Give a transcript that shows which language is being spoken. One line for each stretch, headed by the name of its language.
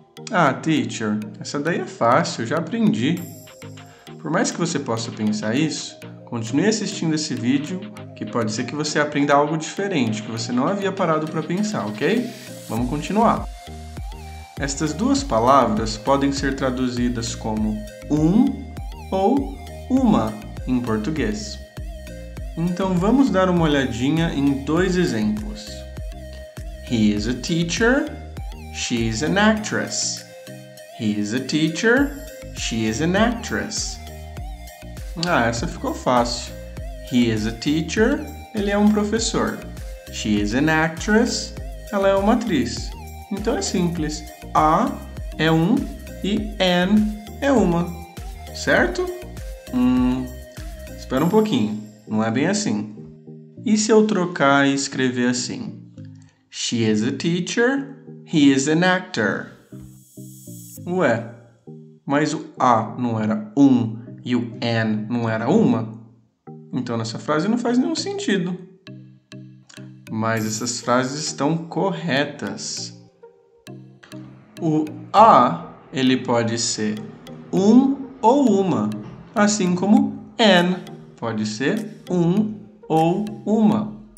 Portuguese: Ah, teacher, essa daí é fácil, já aprendi. Por mais que você possa pensar isso, continue assistindo esse vídeo, que pode ser que você aprenda algo diferente, que você não havia parado para pensar, ok? Vamos continuar. Estas duas palavras podem ser traduzidas como um ou uma em português. Então vamos dar uma olhadinha em dois exemplos.
English: He is a teacher, she is an actress. He is a teacher, she is an actress.
Portuguese: Ah, essa ficou fácil.
English: He is a teacher,
Portuguese: ele é um professor.
English: She is an actress,
Portuguese: ela é uma atriz. Então é simples. A é um e an é uma, certo? Espera um pouquinho, não é bem assim. E se eu trocar e escrever assim?
English: She is a teacher, he is an actor.
Portuguese: Ué, mas o A não era um e o an não era uma? Então nessa frase não faz nenhum sentido. Mas essas frases estão corretas. O A, ele pode ser um ou uma, assim como an pode ser um ou uma.